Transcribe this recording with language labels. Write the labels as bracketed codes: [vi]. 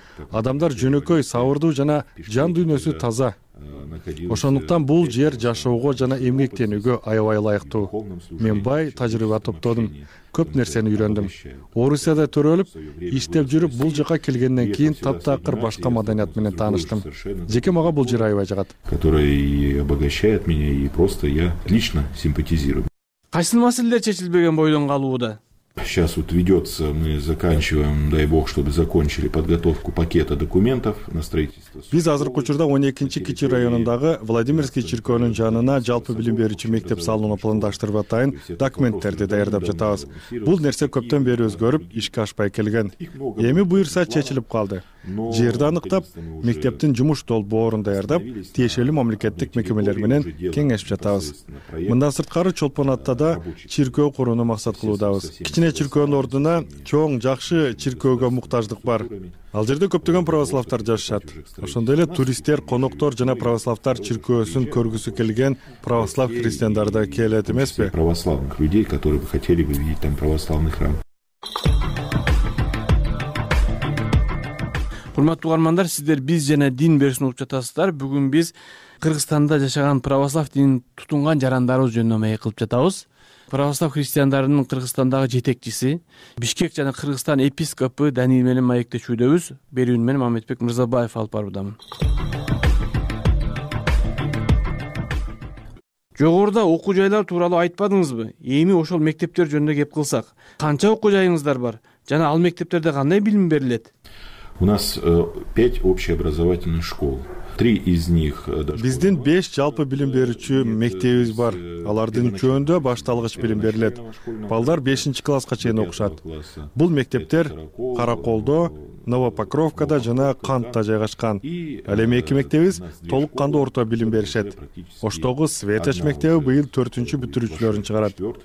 [ky] Адамдар жөнөкөй, сабырдуу жана жан дүйнөсү таза. Ошондуктан бул жер жашоого жана эмгектенүүгө аябай ылайыктуу. Мен бай тажрыйба топтодум, көп нерсени үйрөндүм. Орусияда төрөлүп, иштеп жүрүп, бул жака келгенден кийин таптакыр башка маданият менен тааныштым. Жеке мага бул жер аябай жагат. [ru] Который обогащает меня и просто я лично симпатизирую. [ky] Кайсыл маселелер чечилбеген бойдон калууда? [ru] Сейчас вот ведется, мы заканчиваем, дай бог, чтобы закончили подготовку пакета документов на строительство. [ky] Биз азыркы учурда 12-чи кичи районундагы Владимирский чиркөөнүн жанына жалпы билим берүүчү мектеп салууну пландаштырып атайын документтерди даярдап жатабыз. Бул нерсе көптөн бери өзгөрүп, ишке ашпай келген. Эми буйурса чечилип калды. Жерди аныктап, мектептин жумуш долбоорун даярдап, тиешелүү мамлекеттик мекемелер менен кеңешип жатабыз. Мындан сырткары Чолпон Атада чиркөө курууну максат кылуудабыз. Кичине чиркөөнүн ордуна чоң жакшы чиркөөгө муктаждык бар. Ал жерде көптөгөн православтар жашашат. Ошондой эле туристтер, коноктор жана православтар чиркөөсүн көргүсү келген православ христиандар да келет эмеспи? [ru] Православных людей, которые бы хотели бы видеть там православный храм. [ky] Урматтуу угармандар, сиздер биз жана дин берсин угуп жатасыздар. Бүгүн биз Кыргызстанда жашаган православ динин тутунган жарандарыбыз жөнүндө маек кылып жатабыз. Православ христиандарынын Кыргызстандагы жетекчиси, Бишкек жана Кыргызстан епископу Даниил менен маектешүүдөбүз. Берүүн менен Мамытбек Мырзабаев алып барбыдамын. Жогоруда окуу жайлар тууралуу айтпадыңызбы? Эми ошол мектептер жөнүндө кеп кылсак, канча окуу жайыңыздар бар жана ал мектептерде кандай билим берилет? [ru] У нас 5 общеобразовательных школ. 3 из них. [ky] Биздин 5 жалпы билим берүүчү мектебибиз бар. Алардын үчөөндө башталгыч билим берилет. Балдар 5-чи класска чейин окушат. Бул мектептер Караколдо, Новопокровкада жана Кантта жайгашкан. Ал эми эки мектебибиз толук кандуу орто билим беришет. Оштогу Светоч мектеби быйыл 4-чү бүтүрүүчүлөрүн чыгарат.